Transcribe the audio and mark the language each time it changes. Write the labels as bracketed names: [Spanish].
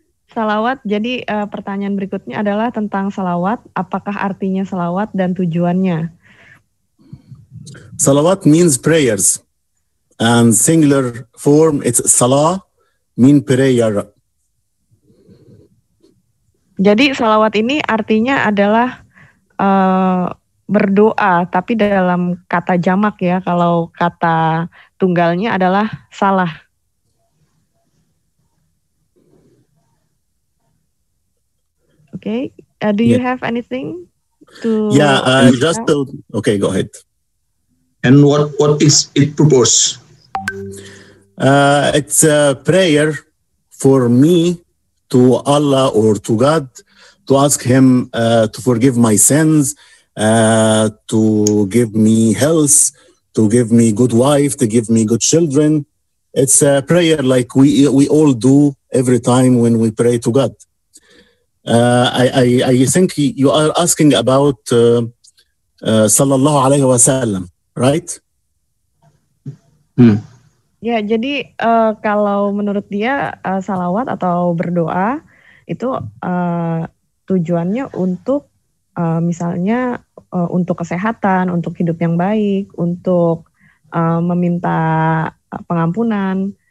[Indonesian] Salawat, jadi pertanyaan berikutnya adalah tentang salawat, apakah artinya salawat dan tujuannya? [English] Salawat means prayers and singular form it's salah mean prayer. [Indonesian] Jadi salawat ini artinya adalah berdoa, tapi dalam kata jamak ya, kalau kata tunggalnya adalah salah. [English] Oke, okay. Do you have anything to... Okay, go ahead. And what is it purpose? It's a prayer for me to Allah or to God. To ask him to forgive my sins, to give me health, to give me good wife, to give me good children. It's a prayer like we all do every time when we pray to God. I think you are asking about sallallahu alaihi wasallam, right? [Indonesian] Ya, jadi kalau menurut dia salawat atau berdoa itu tujuannya untuk misalnya untuk kesehatan, untuk hidup yang baik, untuk meminta pengampunan.